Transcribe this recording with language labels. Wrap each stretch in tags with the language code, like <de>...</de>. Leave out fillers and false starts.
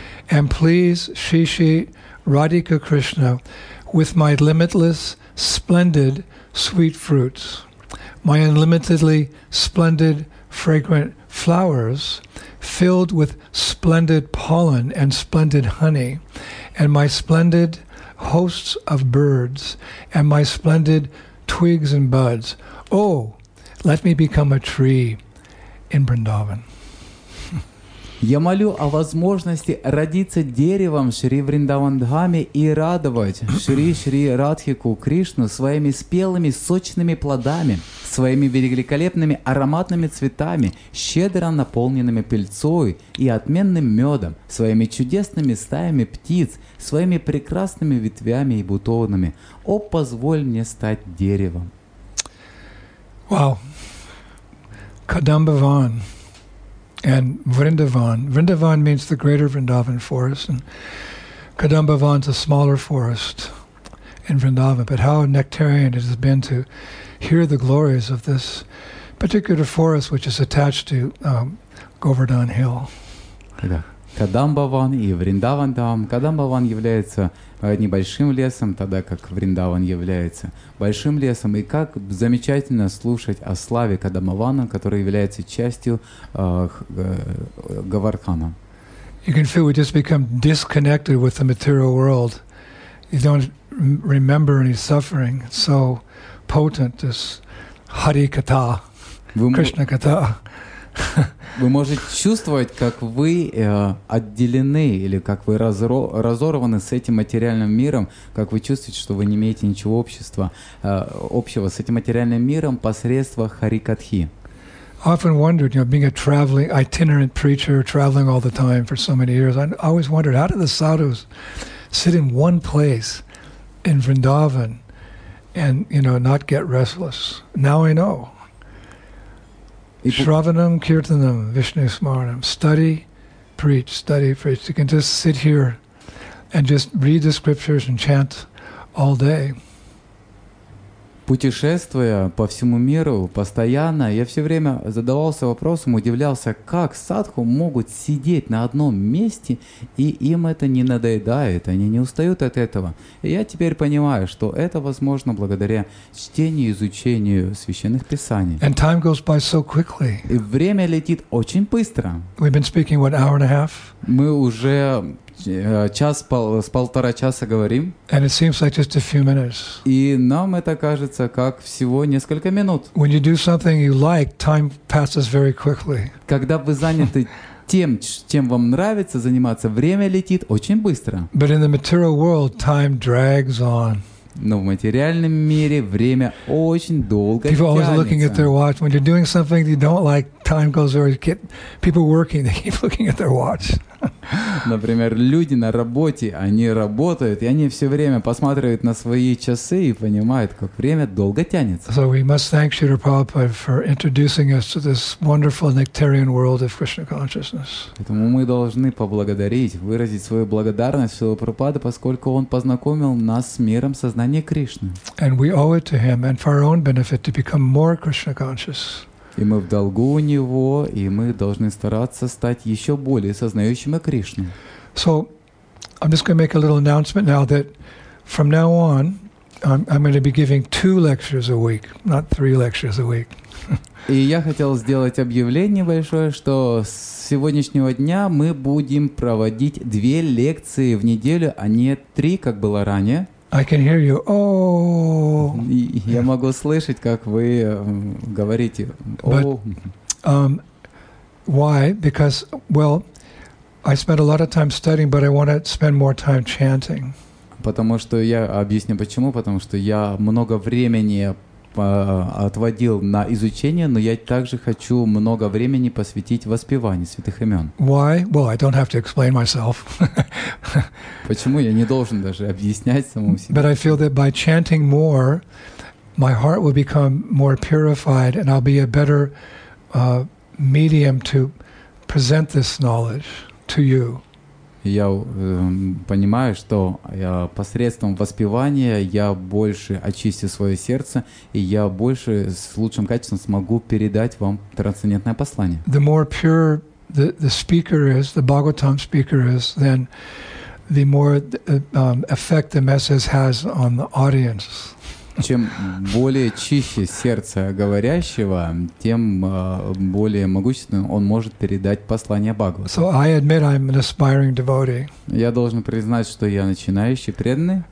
<en>And please, Shri Shri Radhika Krishna, with my limitless, splendid, sweet fruits, my unlimitedly splendid, fragrant flowers, filled with splendid pollen and splendid honey, and my splendid hosts of birds, and my splendid twigs and buds, oh, let me become a tree in Vrindavan.</en> <ru>Я молю о возможности родиться деревом Шри Вриндавандхаме и радовать Шри Шри Радхику Кришну своими спелыми, сочными плодами, своими великолепными ароматными цветами, щедро наполненными пыльцой и отменным медом, своими чудесными стаями птиц, своими прекрасными ветвями и бутонами. О, позволь мне стать деревом.</ru> <en>Wow. Kadambavan. And Vrindavan. Vrindavan means the greater Vrindavan forest, and Kadambavan is a smaller forest in Vrindavan. But how nectarian it has been to hear the glories of this particular forest, which is attached to Govardhan Hill.</en> <ru>Кадамбаван и Вриндаван Дам. Кадамбаван является небольшим лесом, тогда как Вриндаван является большим лесом. И как замечательно слушать о славе Кадамбавана, который является частью Говардхана.</ru> <en>You can feel we just become disconnected with the material world. You don't remember any suffering. It's so potent, this Hari Kata, Krishna Kata.</en> <ru>Вы можете чувствовать, как вы отделены или как вы разорваны с этим материальным миром, как вы чувствуете, что вы не имеете ничего общего с этим материальным миром посредством Харикатхи.</ru> <en>I often wondered, you know, being a traveling itinerant preacher, traveling all the time for so many years, I always wondered, how do the sadhus sit in one place in Vrindavan and, you know, not get restless? Now I know. Shravanam, Kirtanam, Vishnu Smaranam. Study, preach, study, preach. You can just sit here and just read the scriptures and chant all day.</en> <ru>Путешествуя по всему миру постоянно, я все время задавался вопросом, удивлялся, как садху могут сидеть на одном месте, и им это не надоедает, они не устают от этого. И я теперь понимаю, что это возможно благодаря чтению и изучению священных писаний.</ru> <en>And time goes by so quickly.</en> <ru>И время летит очень быстро.</ru> <en>We've been speaking, what, hour and a half?</en> <ru>Мы уже с полтора часа говорим.</ru> <en>And it seems like just a few minutes.</en> <ru>И нам это кажется как всего несколько минут.</ru> <en>When you do something you like, time passes very quickly.</en> <ru>Когда вы заняты тем, чем вам нравится заниматься, время летит очень быстро.</ru> <en>But in the material world, time drags on.</en> <ru>Но в материальном мире время очень долго тянется.</ru> <en>People always looking at their watch. When you're doing something you don't like, time goes very quick. People working, they keep looking at their watch.</en> <ru>Например, люди на работе, они работают, и они все время посматривают на свои часы и понимают, как время долго тянется.</ru> <en>So we must thank Srila Prabhupada for introducing us to this wonderful nectarian world of Krishna consciousness.</en> <ru>Поэтому мы должны поблагодарить, выразить свою благодарность Шриле Прабхупаде, поскольку он познакомил нас с миром сознания Кришны.</ru> <en>And we owe it to him and for our own benefit to become more Krishna conscious.</en> <ru>И мы в долгу у него, и мы должны стараться стать еще более сознающими Кришну.</ru> <en>So, I'm just going to make a little announcement now that from now on, I'm going to be giving two lectures a week, not three lectures a week.</en> <ru>И я хотел сделать объявление большое, что с сегодняшнего дня мы будем проводить две лекции в неделю, а не три, как было ранее.</ru> <en>I can hear you. Oh.</en> <ru>Я могу слышать, как вы говорите.</ru> <en>But, why? Because, well, I spent a lot of time studying, but I want to spend more time chanting.</en> <ru>Потому что я объясню почему, потому что я много времени отводил на изучение, но я также хочу много времени посвятить воспеванию святых имен.</ru> <en>Why? Well, I don't have to explain myself.</en> <ru>Почему я не должен даже объяснять самому себе?</ru> <en>But I feel that by chanting more, my heart will become more purified, and I'll be a better medium to present this knowledge to you.</en> <ru>Я понимаю, что посредством воспевания я больше очистил свое сердце, и я больше с лучшим качеством смогу передать вам трансцендентное послание.</ru> <en>The more pure the speaker is, the Bhagavatam speaker is, then the more effect the message has on the audience.</en> <ru>Чем более чище сердце говорящего, тем более могущественным он может передать послание Бхагавата.</ru> <en>So I admit I'm an aspiring devotee.</en> <ru>Я должен признать, что я начинающий преданный.</ru>